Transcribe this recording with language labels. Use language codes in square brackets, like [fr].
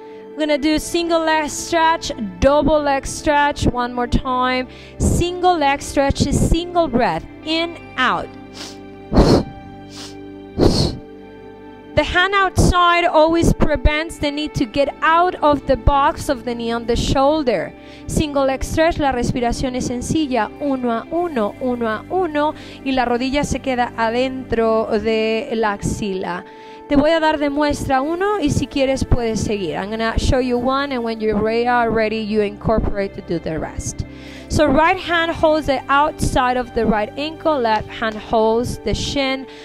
[en] We're gonna do single leg stretch, double leg stretch, one more time. Single leg stretch is single breath, in, out. The hand outside always prevents the knee to get out of the box of the knee on the shoulder. [es] Single leg stretch, la respiración es sencilla, uno a uno, uno a uno, y la rodilla se queda adentro de la axila. Te voy a dar de muestra uno y si quieres puedes seguir. [en] I'm going to show you one, and when you are ready, you incorporate to do the rest. So right hand holds the outside of the right ankle, left hand holds the shin.